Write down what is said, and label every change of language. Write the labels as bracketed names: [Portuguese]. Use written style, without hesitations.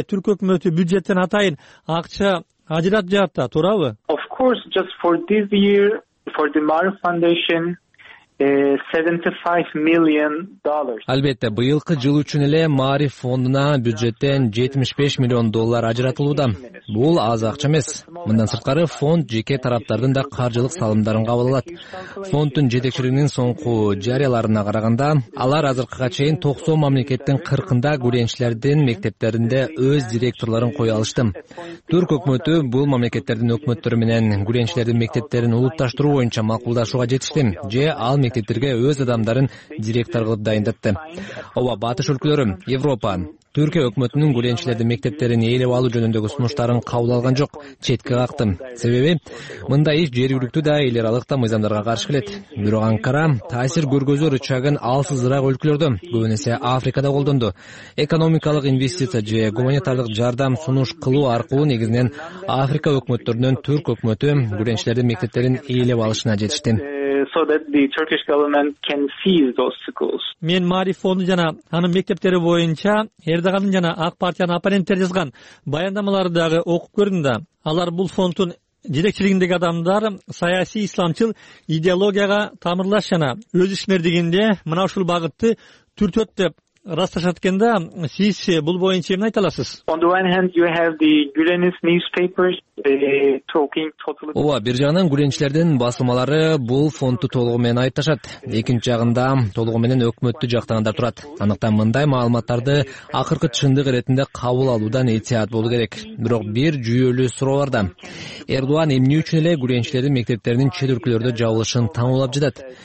[Kyrgyz] Түрк өкмөтү бюджеттен атайын акча ажыратып жатат да, туурабы? [English] Of course, just for this year, for the Marif Foundation, $75 million. [Kyrgyz] Албетте, быйылкы жыл үчүн эле Маариф фондуна бюджеттен $75 million ажыратылууда. Бул аз акча эмес. Мындан сырткары фонд жеке тараптардын да каржылык салымдарын кабыл алат. Фонддун жетекчилигинин соңку жарыяларына караганда, алар азыркыга чейин 90 мамлекеттин 40 гүленчилердин мектептеринде өз директорлорун кое алышты. Түрк өкмөтү бул мамлекеттердин өкмөттөрү менен гүленчилердин мектептерин улутташтыруу боюнча макулдашууга жетишти же ал мектептерге өз адамдарын директор кылып дайындатты. Ооба, батыш өлкөлөрү, Европа, Түркия өкмөтүнүн гүленчилердин мектептерин ээлеп алуу жөнүндөгү сунуштарын кабыл алган жок, четке какты. Себеби мындай иш жергиликтүү да, эл аралык да мыйзамдарга каршы келет. Бирок Анкара таасир көргөзөр рычагын алсызыраак өлкөлөрдө, көбүнесе Африкада колдонду. Экономикалык инвестиция же гуманитардык жардам сунуш кылуу аркылуу негизинен Африка өкмөттөрүнөн түрк өкмөтү гүленчилердин мектептерин ээлеп алышына жетишти. [English] So that the Turkish government can seize those schools. [Kyrgyz] Мен Маариф фонду жана анын мектептери боюнча Эрдоганын жана Ак партиянын оппоненттери жазган баяндамаларды дагы окуп көрдүм да. Алар бул фонддун жетекчилигиндеги адамдар саясий исламчыл идеологияга тамырлаш жана өз ишмердигинде мына ушул багытты түртөт деп расташат экен да. Сиз бул боюнча эмне айта аласыз? [English] On the one hand you have the Gulenist newspapers. [Kyrgyz] Ооба, бир жагынан гүленчилердин басылмалары бул фондду толугу менен айыпташат. Экинчи жагында толугу менен өкмөттү жактагандар турат. Андыктан мындай маалыматтарды акыркы чындык иретинде кабыл алуудан этият болуу керек. Бирок бир жүйөлүү суроо бар да. Эрдоган эмне үчүн эле гүленчилердин мектептеринин чет өлкөлөрдө жабылышын тануулап жатат?